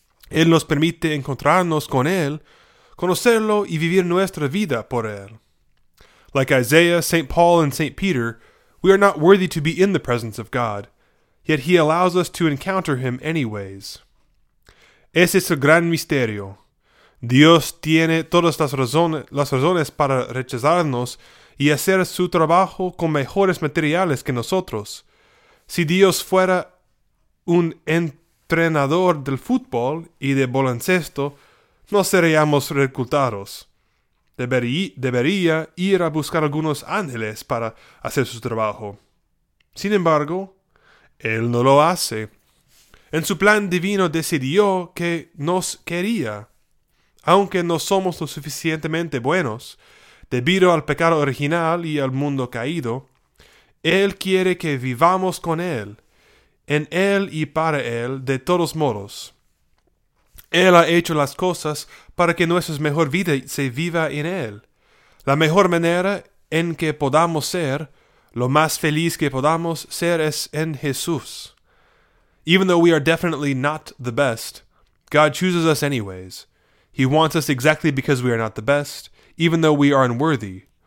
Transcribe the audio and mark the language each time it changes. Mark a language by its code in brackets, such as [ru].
[es] Él nos permite encontrarnos con Él, conocerlo y vivir nuestra vida por Él. [en] Like Isaiah, St. Paul, and St. Peter, we are not worthy to be in the presence of God, yet He allows us to encounter Him anyways. [es] Ese es el gran misterio. Dios tiene todas las razones para rechazarnos y hacer su trabajo con mejores materiales que nosotros. Si Dios fuera un entrenador del fútbol y de baloncesto, no seríamos reclutados. Debería ir a buscar algunos ángeles para hacer su trabajo. Sin embargo, Él no lo hace. En su plan divino decidió que nos quería. Aunque no somos lo suficientemente buenos, debido al pecado original y al mundo caído, Él quiere que vivamos con Él, en Él y para Él, de todos modos. Él ha hecho las cosas para que nuestra mejor vida se viva en Él. La mejor manera en que podamos ser, lo más feliz que podamos ser, es en Jesús. [en] Even though we are definitely not the best, God chooses us anyways. He wants us exactly because we are not the best, even though we are unworthy.